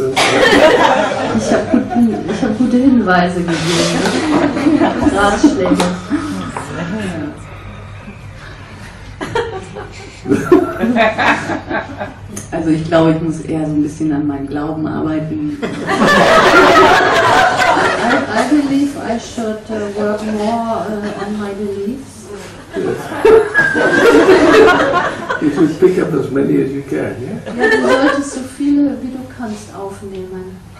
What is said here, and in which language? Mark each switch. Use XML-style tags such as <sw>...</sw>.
<de>Ich hab gute Hinweise gegeben. Ratschläge. Also ich glaube, ich muss eher so ein bisschen an meinem Glauben arbeiten.</de> <en>I believe I should work more on my beliefs. Yes. You should pick up as many as you can, yeah?</en> <de>Ja, du solltest so viele, wie du kannst, aufnehmen.</de>